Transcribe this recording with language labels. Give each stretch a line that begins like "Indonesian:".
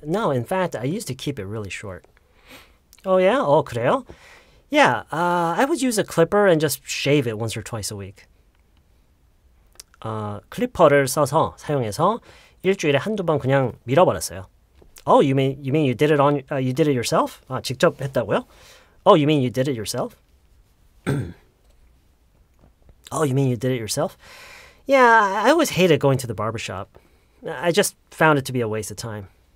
English: No, in fact, I used to keep it really short. Oh, yeah? Oh, 그래요? Yeah, I would use a clipper and just shave it once or twice a week.
Korean: 클리퍼를 써서, 사용해서 일주일에 한두 번 그냥 밀어버렸어요.
English: Oh, you mean you did it on you did it yourself?
Korean: 아, 직접 했다고요?
English: Oh, you mean you did it yourself? Yeah, I always hated going to the barbershop. I just found it to be a waste of time.